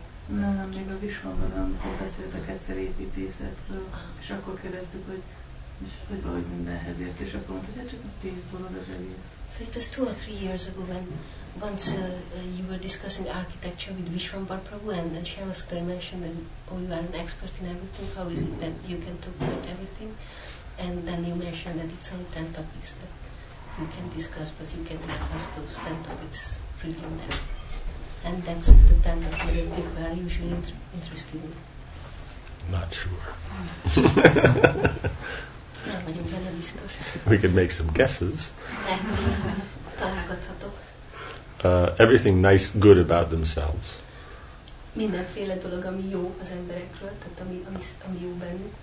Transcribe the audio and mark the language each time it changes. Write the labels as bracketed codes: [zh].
[hu] Nem, még a Visvamban, amikor beszéltek egyszer építészetről, és akkor kérdeztük, hogy valahogy mindenhez ért, és akkor mondta, hogy csak 10 dolog az egész. [en] So it was 2 or 3 years ago when once you were discussing architecture with Vishwan Barprabhu, and then Shyamasundara mentioned that oh, you are an expert in everything, how is it that you can talk about everything? And then you mentioned that it's only 10 topics that you can discuss, but you can discuss those 10 topics really in depth. And that's the 10 topics that people are usually interested in. Not sure. [hu] Nem vagyunk benne biztos. [en] We can make some guesses. [hu] Találgathatok. [en] Everything nice, good about themselves. [hu] Mindenféle dolog, ami jó az emberekről, tehát ami jó bennük.